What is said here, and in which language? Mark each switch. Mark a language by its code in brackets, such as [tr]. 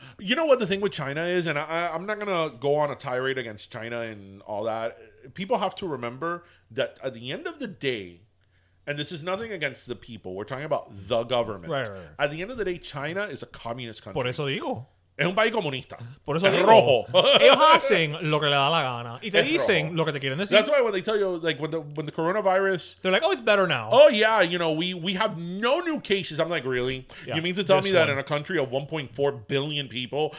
[en] You know what the thing with China is, and I'm not gonna go on a tirade against China and all that. People have to remember that at the end of the day, and this is nothing against the people. We're talking about the government. Right. At the end of the day, China is a communist country. [es] Por eso digo. Es un país comunista. Por eso es rojo. Ellos hacen lo que le da la gana. Y te dicen lo que te quieren decir. [en] That's why when they tell you, like, when the coronavirus... They're like, oh, it's better now. Oh, yeah. You know, we have no new cases. I'm like, really? Yeah, you mean to tell me that in a country of 1.4 billion people...